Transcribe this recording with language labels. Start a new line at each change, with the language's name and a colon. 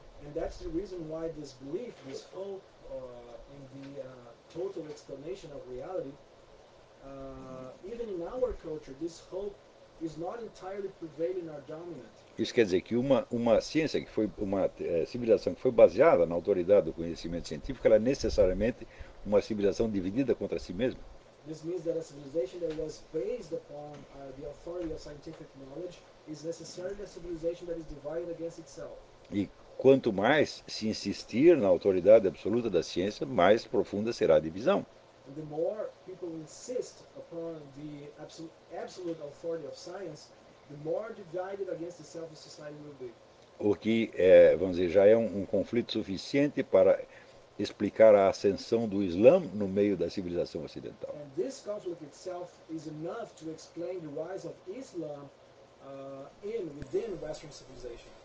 English: And that's the reason why this belief, this hope in the total explanation of reality, even in our culture, this hope is not entirely prevailing or dominant.
Portuguese: Isso quer dizer que uma ciência que foi uma civilização que foi baseada na autoridade do conhecimento científico, ela é necessariamente uma civilização dividida contra si mesma.
English: This means that a civilization that was based upon the authority of scientific knowledge is necessarily a civilization that is divided against itself.
Portuguese: E quanto mais se insistir na autoridade absoluta da ciência, mais profunda será a divisão.
English: And the more people insist upon the absolute authority of science, the more divided against itself the society will be.
Portuguese: O que, vamos dizer, já é um conflito suficiente para explicar a ascensão do Islã no meio da civilização ocidental.
English: And this conflict itself is enough to explain the rise of Islam within Western civilization.